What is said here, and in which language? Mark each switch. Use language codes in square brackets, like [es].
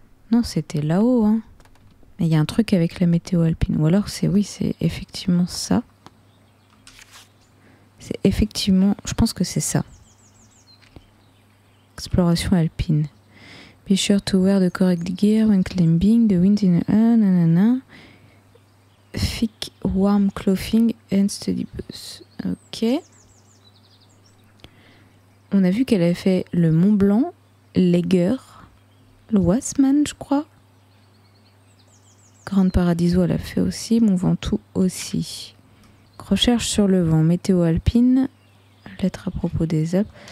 [fr] Non, c'était là-haut, hein. Mais il y a un truc avec la météo alpine. Ou alors, c'est effectivement ça. C'est effectivement... Je pense que c'est ça. Exploration alpine. [en] Be sure to wear the correct gear when climbing. The wind in the nanana. Thick warm clothing and study boots. Ok. [fr] On a vu qu'elle avait fait le Mont Blanc, l'Eiger, le Wasman, je crois. Grand Paradiso, elle a fait aussi. Mont Ventoux aussi. Recherche sur le vent. Météo alpine. Lettre à propos des Alpes.